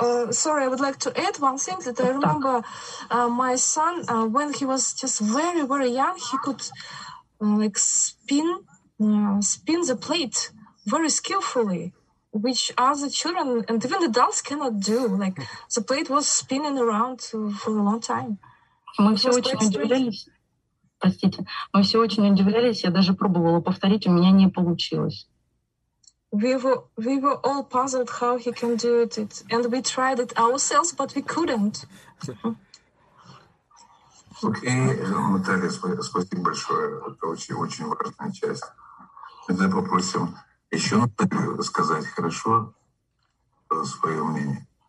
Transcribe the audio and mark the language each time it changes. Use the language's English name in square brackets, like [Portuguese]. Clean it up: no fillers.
[English] Sorry, I would like to add one thing that I remember my son, when he was just very, very young, he could like spin the plate very skillfully, which other children and even adults cannot do. Like the plate was spinning around for a long time. [Russian] Мы все очень удивлялись, я даже пробовала повторить, у меня не получилось. [English] We were all puzzled how he can do it, and we tried it ourselves, but we couldn't. [Russian] Okay, Наталья, спасибо большое. Это очень, очень важная часть. Тогда попросим еще Наталью сказать хорошо свое мнение.